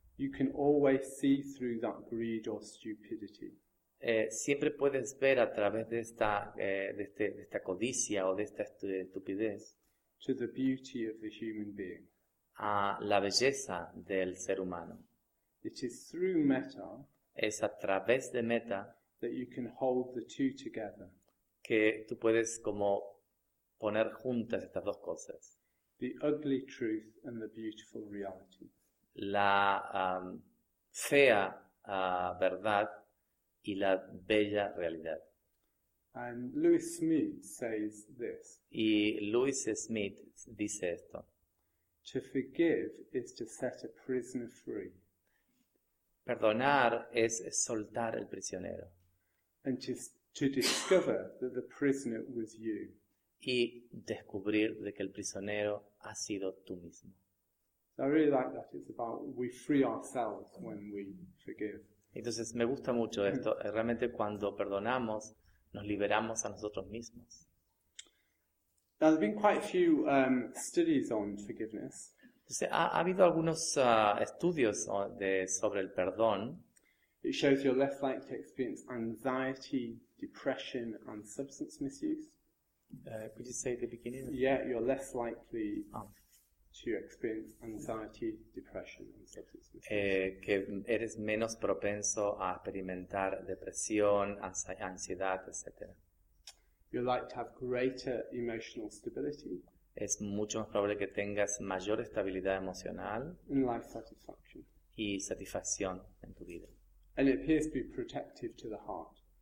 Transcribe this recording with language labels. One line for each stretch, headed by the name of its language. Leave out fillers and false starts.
English: you can always see through that greed or stupidity.
Spanish: Siempre puedes ver a través de esta codicia o de esta estupidez
English: to the beauty of the human being.
Spanish: A la belleza del ser humano.
English: It is through metta,
Spanish: es a través de metta
English: that you can hold the two together.
Spanish: Que tú puedes como poner juntas estas dos cosas.
English: The ugly truth and the beautiful reality.
Spanish: La fea verdad y la bella realidad.
English: And Louis Smith says this.
Spanish: Y Louis Smith dice esto.
English: To forgive is to set a prisoner free.
Spanish: Perdonar es soltar el prisionero.
English: And to discover that the prisoner was you.
Spanish: Y descubrir de que el prisionero ha sido tú mismo.
English: So I really like that. It's about we free ourselves when we forgive.
Spanish: Entonces me gusta mucho esto. Realmente cuando perdonamos, nos liberamos a nosotros mismos.
English: Now, there have been quite a few studies on forgiveness.
Spanish: Entonces, ha habido algunos estudios sobre el perdón.
English: It shows you're less likely to experience anxiety, depression, and substance misuse. Could you say at the beginning? Yeah, you're less likely to experience anxiety, depression, and substance misuse.
Spanish: Que eres menos propenso a experimentar depresión, ansiedad, etc.
English: You're likely to have greater emotional stability.
Spanish: Es mucho más probable que tengas mayor estabilidad emocional
English: and life satisfaction.
Spanish: Y satisfacción en tu vida.
English: And it appears to be protective to the heart.